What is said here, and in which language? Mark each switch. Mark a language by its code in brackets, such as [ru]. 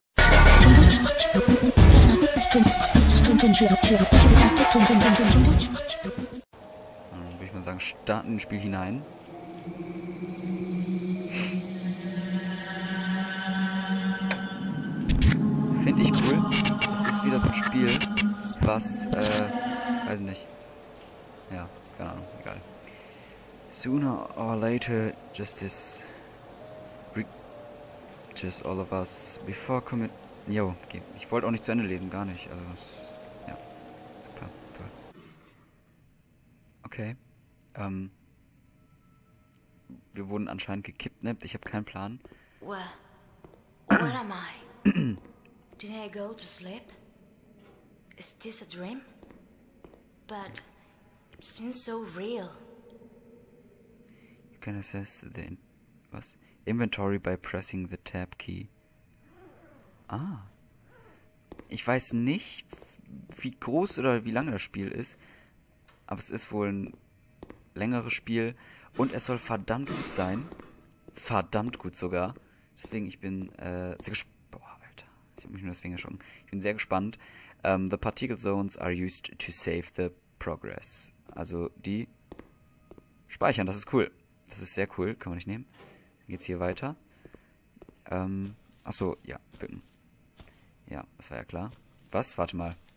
[de] Dann würde ich mal sagen, starten ins Spiel hinein. Finde ich cool. Das ist wieder so ein Spiel, was, weiß ich nicht. Ja. Keine Ahnung, egal. [en] Sooner or later, just all of us, before commit... [de] Jo, okay. Ich wollte auch nicht zu Ende lesen, gar nicht. Also, ja. Super, toll. Okay. Wir wurden anscheinend gekidnappt, ich habe keinen Plan. [en] Well, what am I? Did I go to sleep? Is this a dream? But... Yes. Seems so real. You can assess the inventory by pressing the tab key. Ah. [de] Ich weiß nicht, wie groß oder wie lange das Spiel ist, aber es ist wohl ein längeres Spiel und es soll verdammt gut sein. Verdammt gut sogar. Deswegen, ich bin sehr gespannt. Ich hab mich nur deswegen erschrocken. Ich bin sehr gespannt. [en] The particle zones are used to save the progress. [de] Also, die speichern, das ist cool. Das ist sehr cool, kann man nicht nehmen. Dann geht's hier weiter. Achso, ja, bücken. Ja, das war ja klar. Was? Warte mal.